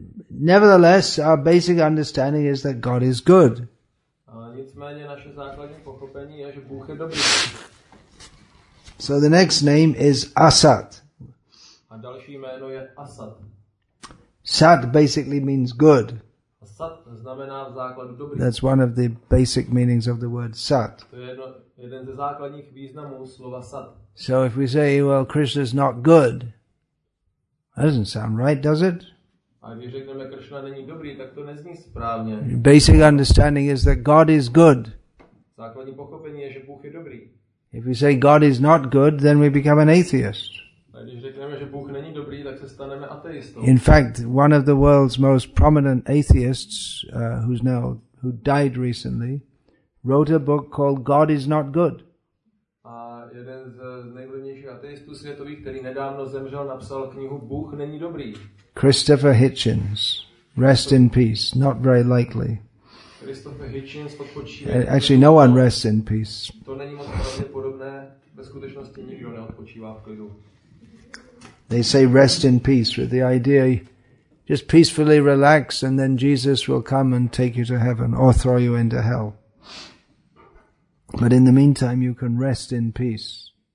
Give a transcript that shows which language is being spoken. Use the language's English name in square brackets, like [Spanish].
[English] Nevertheless, our basic understanding is that God is good. [Czech] Nicméně naše základní pochopení je, že Bůh je dobrý. [English] So the next name is Asat. [Czech] A další jméno je Asat. [English] Sat basically means good. [Czech] Sat znamená v základu dobrý. [English] That's one of the basic meanings of the word Sat. [Czech] To je jeden ze základních významů slova Sat. [English] So if we say, well, Krishna's not good, that doesn't sound right, does it? [Czech] A když řekneme, Krishna není dobrý, tak to nezní správně. [English] Basic understanding is that God is good. [Czech] Základní pochopení je, že Bůh je dobrý. [English] If we say God is not good, then we become an atheist. [Czech] A když řekneme, že Bůh není dobrý, tak se staneme ateistou. [English] In fact, one of the world's most prominent atheists, who died recently, wrote a book called God is not good. [Czech] A jeden z nejvlivnějších ateistů světových, který nedávno zemřel, napsal knihu Bůh není dobrý. [English] Christopher Hitchens, rest in peace, not very likely. [Czech] Christopher Hitchens, [English] actually, no one rests in peace. [Czech] To není moc pravděpodobné, ve skutečnosti nikdo neodpočívá v klidu. [English] They say rest in peace with the idea just peacefully relax and then Jesus will come and take you to heaven or throw you into hell. But in the meantime, you can rest in peace.